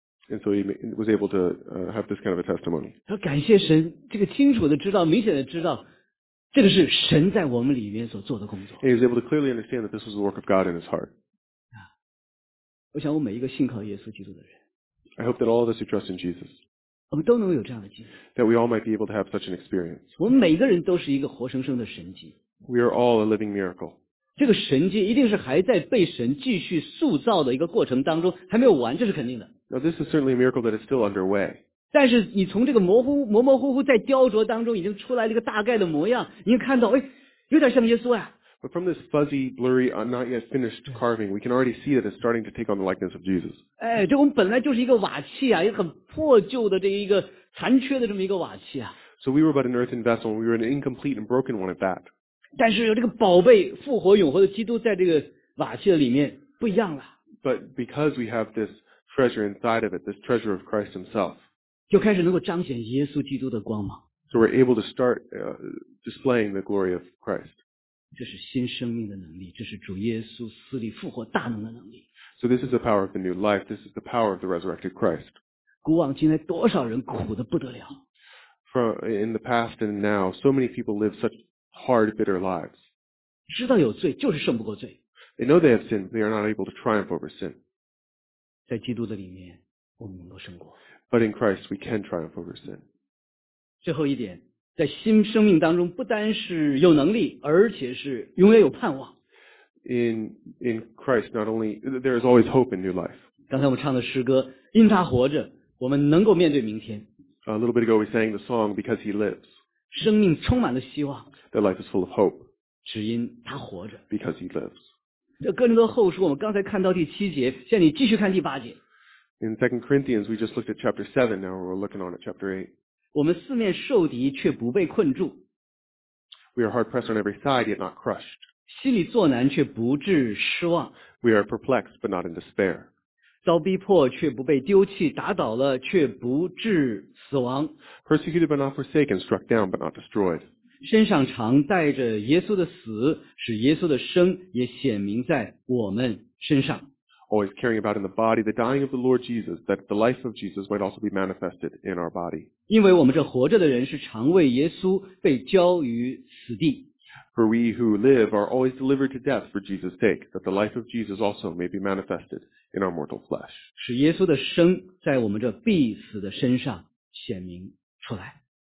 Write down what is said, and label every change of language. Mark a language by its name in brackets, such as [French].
[English] And so he was able to have this kind of a testimony. [Chinese] 他感谢神，这个清楚的知道，明显的知道，这个是神在我们里面所做的工作。 [English] And he was able to clearly understand that this was the work of God in his heart. [Chinese] 我想我每一个信靠耶稣基督的人。 [English] I hope that all of us who trust in Jesus. [Chinese] 我们都能有这样的经历。 [English] That we all might be able to have such an experience. [Chinese] 我们每个人都是一个活生生的神迹。 [English] We are all a living miracle. [Chinese] 这个神迹一定是还在被神继续塑造的一个过程当中，还没有完，这是肯定的。 [English] Now this is certainly a miracle that is still underway. [Chinese] 但是你从这个模模糊糊在雕琢当中已经出来了一个大概的模样，你看到，哎，有点像耶稣啊。 [English] But from this fuzzy, blurry, not yet finished carving, we can already see that it's starting to take on the likeness of Jesus. [Chinese] 哎，这我们本来就是一个瓦器啊，一个很破旧的这一个残缺的这么一个瓦器啊。 [English] So we were but an earthen vessel, we were an incomplete and broken one at that. [Chinese] 但是有这个宝贝复活永活的基督在这个瓦器的里面不一样了。 [English] But because we have this treasure inside of it, this treasure of Christ himself, [Chinese] 就开始能够彰显耶稣基督的光芒。 [English] So we're able to start displaying the glory of Christ. [Chinese] 这是新生命的能力，这是主耶稣死里复活大能的能力。 [English] So this is the power of the new life. This is the power of the resurrected Christ. [Chinese] 古往今来多少人苦得不得了。 [English] From in the past and now, so many people live such hard, bitter lives. [Chinese] 知道有罪就是胜不过罪。 [English] They know they have sinned, they are not able to triumph over sin. [Chinese] 在基督的里面我们能够胜过。 [English] But in Christ, we can triumph over sin. [Chinese] 最后一点，在新生命当中不单是有能力，而且是永远有盼望。 [English] In Christ, not only, there is always hope in new life. [Chinese] 刚才我们唱的诗歌，因他活着，我们能够面对明天。 [English] A little bit ago, we sang the song, Because He Lives. [Chinese] 生命充满了希望。 [English] That life is full of hope. [Chinese] 只因他活着。 [English] Because He lives. [Chinese] 这哥林多后书，我们刚才看到第七节，现在你继续看第八节。 [English] In 2 Corinthians, we just looked at chapter 7, now we're looking on at chapter 8. [Chinese] 我们四面受敌却不被困住。 [English] We are hard pressed on every side yet not crushed. [Chinese] 心里作难却不致失望。 [English] We are perplexed but not in despair. [Chinese] 遭逼迫却不被丢弃，打倒了却不致死亡。 [English] Persecuted but not forsaken, struck down but not destroyed. [Chinese] 身上常带着耶稣的死，使耶稣的生也显明在我们身上。 [English] Always carrying about in the body the dying of the Lord Jesus, that the life of Jesus might also be manifested in our body. [Chinese] 因为我们这活着的人是常为耶稣被交于死地。 [English] For we who live are always delivered to death for Jesus' sake, that the life of Jesus also may be manifested in our mortal flesh. [Chinese] 使耶稣的生在我们这必死的身上显明出来。